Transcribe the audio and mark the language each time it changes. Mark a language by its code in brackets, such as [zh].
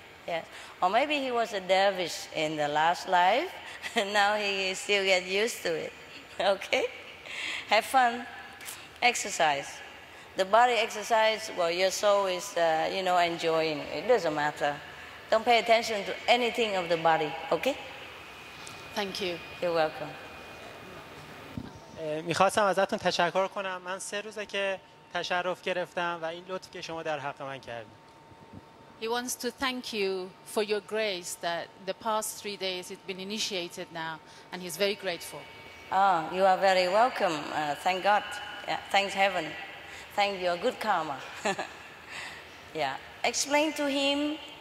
[en] Yes, or maybe he was a dervish in the last life, and now he still gets used to it. Okay, have fun, exercise. The body exercise, well, your soul is, enjoying. It doesn't matter. Don't pay attention to anything of the body. Okay. Thank you. You're welcome. [fa] میخواستم ازتون تشکر کنم. من 3 روزه که تشرف گرفتم و این لطف که شما در حق من کردید. [en] He wants to thank you for your grace that the past 3 days it's been initiated now, and he's very grateful. Oh, you are very welcome. Thank God. Yeah, thanks heaven. Thank your good karma. Yeah. Explain to him.